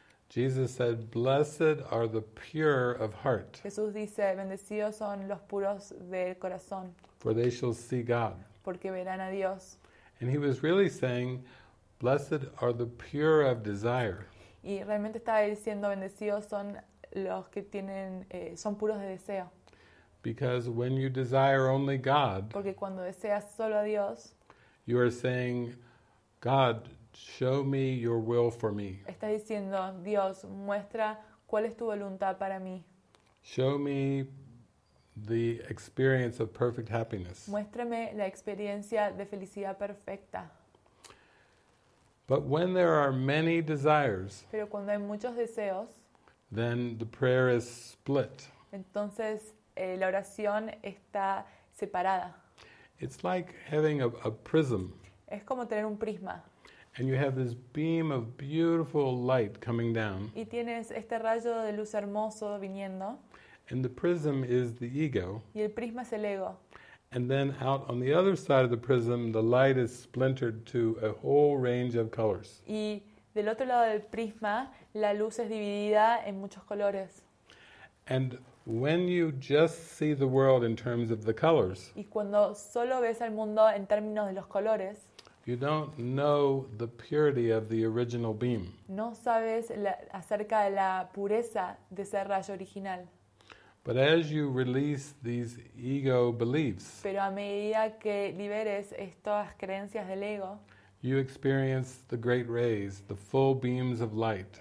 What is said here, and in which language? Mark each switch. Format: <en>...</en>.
<en>Jesus said, "Blessed are the pure of heart."</en> <es>Jesús dice, "Bendecidos son los puros del corazón."</es> <en>For they shall see God.</en> <es>Porque verán a Dios.</es> <en>And he was really saying, "Blessed are the pure of desire."</en> <es>Y realmente estaba diciendo, "Bendecidos son los que tienen son puros de deseo."</es> <en>Because when you desire only God,</en> <es>porque cuando deseas solo a Dios,</es> <en>you are saying, "God, show me your will for me."</en> <es>Está diciendo, Dios, muestra cuál es tu voluntad para mí.</es> <en>Show me the experience of perfect happiness.</en> <es>Muéstrame la experiencia de felicidad perfecta.</es> <en>But when there are many desires,</en> <es>pero cuando hay muchos deseos,</es> <en>then the prayer is split.</en> <es>Entonces, la oración está separada.</es> <en>It's like having a prism.</en> <es>Es como tener un prisma.</es> <en>And you have this beam of beautiful light coming down.</en> <es>Y tienes este rayo de luz hermoso viniendo.</es> <en>And the prism is the ego.</en> <es>Y el prisma es el ego.</es> <en>And then out on the other side of the prism, the light is splintered to a whole range of colors.</en> <es>Y del otro lado del prisma, la luz es dividida en muchos colores.</es> <en>And when you just see the world in terms of the colors,</en> <es>y cuando solo ves al mundo en términos de los colores,</es> <en>you don't know the purity of the original beam.</en> <es>No sabes acerca de la pureza de ese rayo original.</es> <en>But as you release these ego beliefs,</en> <es>pero a medida que liberes estas creencias del ego,</es> <en>you experience the great rays, the full beams of light.</en>